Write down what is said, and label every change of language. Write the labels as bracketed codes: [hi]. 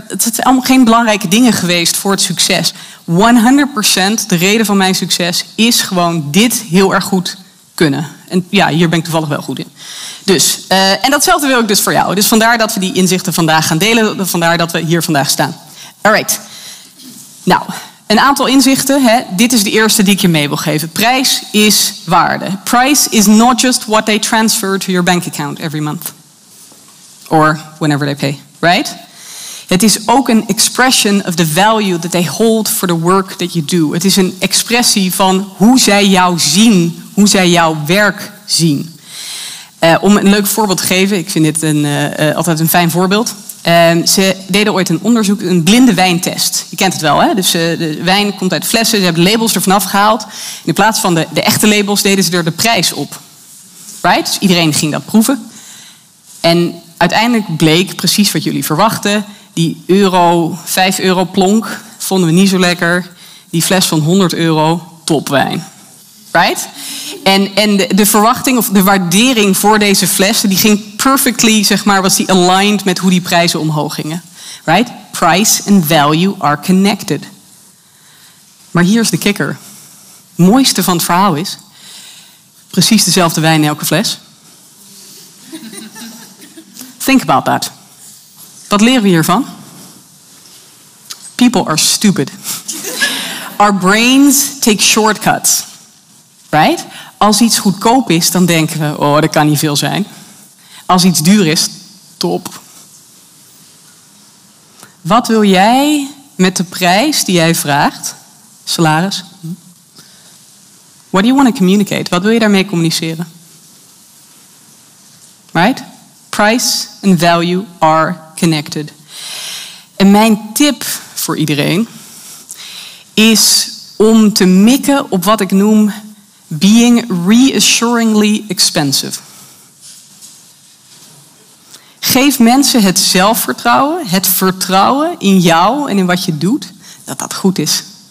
[nl] Het zijn allemaal geen belangrijke dingen geweest voor het succes. 100% de reden van mijn succes is gewoon dit heel erg goed kunnen. En ja, hier ben ik toevallig wel goed in. Dus, en datzelfde wil ik dus voor jou. Dus vandaar dat we die inzichten vandaag gaan delen. Vandaar dat we hier vandaag staan. [en] All right. [nl] Nou, een aantal inzichten. Hè. Dit is de eerste die ik je mee wil geven. Prijs is waarde. [en] Price is not just what they transfer to your bank account every month. Or whenever they pay, right? [nl] Het is ook een [en] expression of the value that they hold for the work that you do. [nl] Het is een expressie van hoe zij jou zien, hoe zij jouw werk zien. Om een leuk voorbeeld te geven, ik vind dit altijd een fijn voorbeeld. Ze deden ooit een onderzoek, een blinde wijntest. Je kent het wel, hè? Dus de wijn komt uit flessen, ze hebben labels er vanaf gehaald. In plaats van de echte labels deden ze er de prijs op. [en] Right? [nl] Dus iedereen ging dat proeven. En uiteindelijk bleek precies wat jullie verwachten. Die euro, 5 euro plonk, vonden we niet zo lekker. Die fles van 100 euro, topwijn. [en] Right? [nl] En de verwachting of de waardering voor deze fles, die ging perfectly, zeg maar, was die aligned met hoe die prijzen omhoog gingen. Right? [en] Price and value are connected. [nl] Maar hier is de kikker. Het mooiste van het verhaal is, precies dezelfde wijn in elke fles. [en] Think about that. [nl] Wat leren we hiervan? [en] People are stupid. Our brains take shortcuts. Right? [nl] Als iets goedkoop is, dan denken we, oh, dat kan niet veel zijn. Als iets duur is, top. Wat wil jij met de prijs die jij vraagt? Salaris. [en] What do you want to communicate? [nl] Wat wil je daarmee communiceren? [en] Right? Price and value are connected. [nl] En mijn tip voor iedereen is om te mikken op wat ik noem [en] being reassuringly expensive. [nl] Geef mensen het zelfvertrouwen, het vertrouwen in jou en in wat je doet, dat dat goed is.